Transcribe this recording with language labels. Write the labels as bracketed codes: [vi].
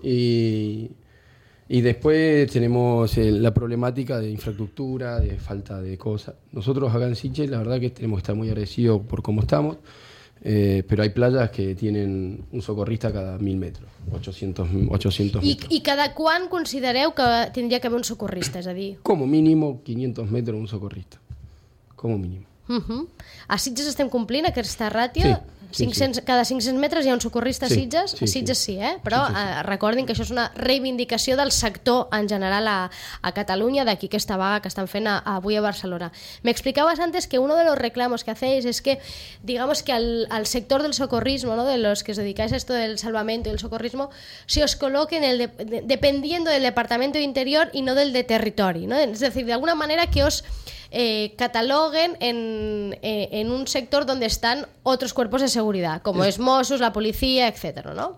[es] Y después tenemos la problemática de infraestructura, de falta de cosas. Nosotros acá en Sitges la verdad que tenemos que estar muy agradecidos por cómo estamos, pero hay playas que tienen un socorrista cada 1,000 metros, 800 metros. ¿Y cada cuán considereu que tendría que haber un socorrista? [ca] Es a dir... [es] Como mínimo 500 metros un socorrista, como mínimo. [ca] Uh-huh. A Sitges estem complint aquesta ràtio? Sí. 500, sí. Cada 500 metres hi ha un socorrista a Sitges? Sí, sí, a Sitges sí, eh? Però sí, sí, sí. Recordin que això és una reivindicació del sector en general a Catalunya, d'aquí aquesta vaga que estan fent avui a Barcelona. M'explicaves [es] antes que uno de los reclamos que hacéis es que, digamos, que al sector del socorrismo, ¿no?, de los que os dedicáis a esto del salvamento y el socorrismo, se os coloque dependiendo del Departamento de Interior y no del de territori, ¿no? Es decir, de alguna manera que os... cataloguen en un sector donde están otros cuerpos de seguridad, como es Mossos, la policía, etcétera, ¿no?